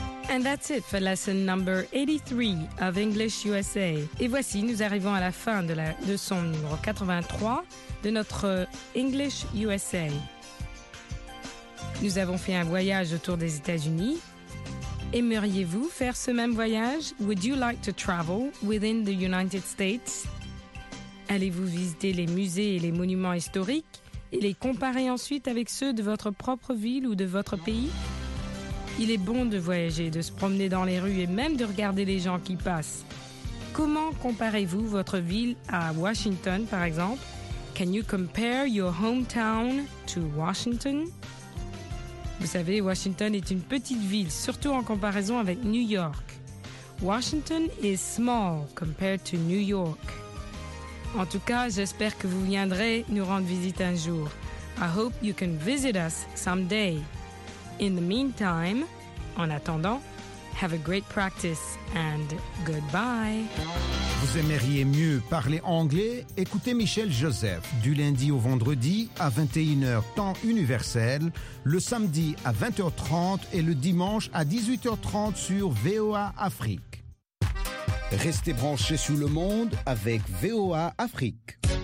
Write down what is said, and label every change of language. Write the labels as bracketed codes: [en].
[en] And that's it for lesson number 83 of English USA. [fr] Et voici, nous arrivons à la fin de la leçon numéro 83 de notre English USA. Nous avons fait un voyage autour des États-Unis. Aimeriez-vous faire ce même voyage? [en] Would you like to travel within the United States? [fr] Allez-vous visiter les musées et les monuments historiques et les comparer ensuite avec ceux de votre propre ville ou de votre pays? Il est bon de voyager, de se promener dans les rues et même de regarder les gens qui passent. Comment comparez-vous votre ville à Washington, par exemple? [en] Can you compare your hometown to Washington? [fr] Vous savez, Washington est une petite ville, surtout en comparaison avec New York. [en] Washington is small compared to New York. [fr] En tout cas, j'espère que vous viendrez nous rendre visite un jour. [en] I hope you can visit us someday. In the meantime, [fr] en attendant, [en] have a great practice and goodbye. [fr] Vous aimeriez mieux parler anglais? Écoutez Michel Joseph du lundi au vendredi à 21h temps universel, le samedi à 20h30 et le dimanche à 18h30 sur VOA Afrique. Restez branchés sur le monde avec VOA Afrique.